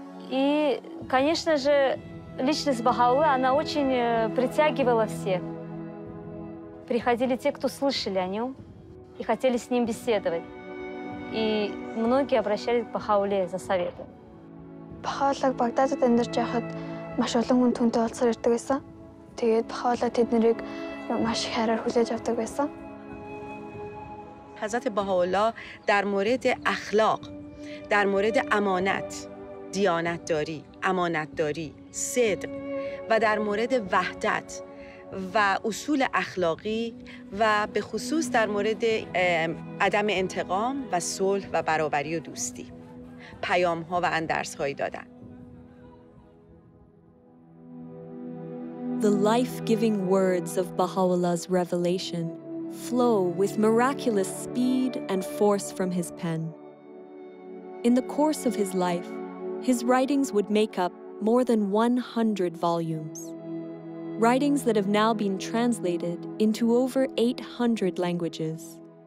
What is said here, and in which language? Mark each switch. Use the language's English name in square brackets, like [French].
[Russian] И, конечно же, личность Бахаулы, она очень притягивала всех. Приходили те, кто слышали о нем и хотели с ним беседовать. И многие обращались к Бахауле за советом. [Mongolian] Бахаулаг Багдадад амьдарч байхад маш олон хүн түнтэй уулзсаар ирдэг байсан. Тэгээд Бахаула тэднийг маш хайраар хүлээж авдаг байсан. [Persian] حضرت بهاءالله در مورد اخلاق، در مورد امانت، دیانتداری، امانتداری، صدق و در مورد وحدت و اصول اخلاقی و به خصوص در مورد عدم انتقام و صلح و برابری و دوستی پیام ها و اندرس هایی دادن. [English] The life-giving words of Baha'u'llah's revelation flow with miraculous speed and force from his pen. In the course of his life, his writings would make up more than 100 volumes, writings that have now been translated into over 800 languages.